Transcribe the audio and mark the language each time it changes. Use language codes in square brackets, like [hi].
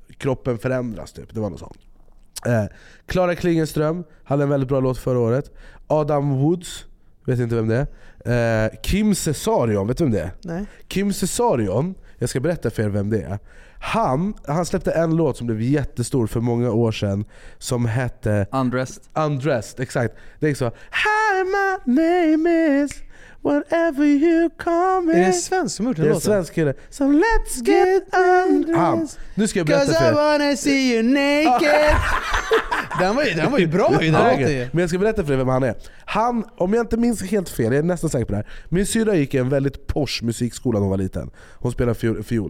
[sv] Kroppen förändras typ. Det var något sånt. Klara Klingenström hade en väldigt bra låt förra året. Adam Woods, vet inte vem det är. Kim Cesarion, vet du vem det är? Nej. Kim Cesarion, jag ska berätta för er vem det är. Han släppte en låt som blev jättestor för många år sedan som hette [en] Undressed, [sv] exakt. Det är så. [en] Hi, my name is whatever you call me. [sv] Är det en svensk som har gjort den låten? Det är en svensk kille. [en] So let's get undressed. [sv] Nu ska jag berätta för er. [en] Cause I wanna see you naked. [sv] den var ju bra i dag. Men jag ska berätta för er vem han är. Han, om jag inte minns helt fel, jag är nästan säker på det här. Min syrra gick i en väldigt posh musikskola när hon var liten. Hon spelade fiol.